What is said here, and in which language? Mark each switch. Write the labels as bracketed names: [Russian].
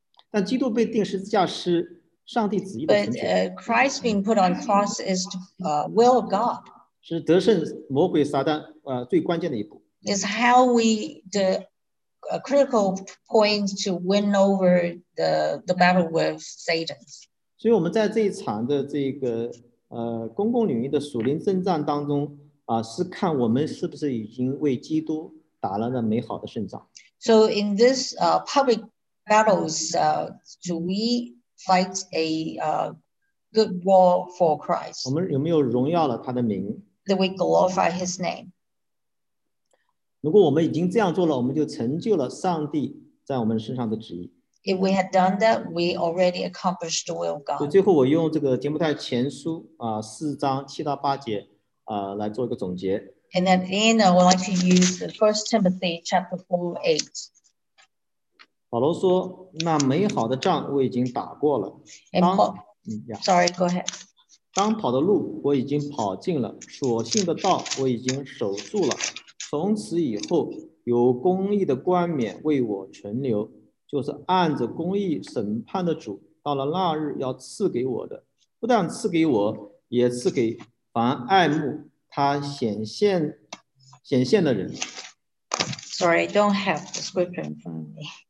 [Chinese] 但基督被钉十字架是上帝旨意的成就。 [English] But Christ being put on cross is the will of God. [Chinese] 是得胜魔鬼撒旦最关键的一步。 [English] Is how we the critical point to win over the battle with Satan. [Chinese] 所以我们在这一场的这个公共领域的属灵征战当中是看我们是不是已经为基督打了那美好的胜仗。 [English] So in this public battles, do we fight a good war for Christ? [Chinese] 我们有没有荣耀了他的名？ [English] That we glorify His name. [Chinese] 如果我们已经这样做了，我们就成就了上帝在我们身上的旨意。 [English] If we had done that, we already accomplished the will of God. [Chinese] 最后，我用这个《提摩太前书》四章七到八节来做一个总结。 [English] And at the end, I would like to use the First Timothy chapter 4:8. [Chinese] 保罗说：“那美好的仗我已经打过了。 [English] ”And Paul, sorry, go ahead. [Chinese] 当跑的路我已经跑尽了，所信的道我已经守住了，从此以后有公义的冠冕为我存留，就是按着公义审判的主到了那日要赐给我的，不但赐给我，也赐给凡爱慕他显现的人。 [English] Sorry, I don't have the scripture in front of me.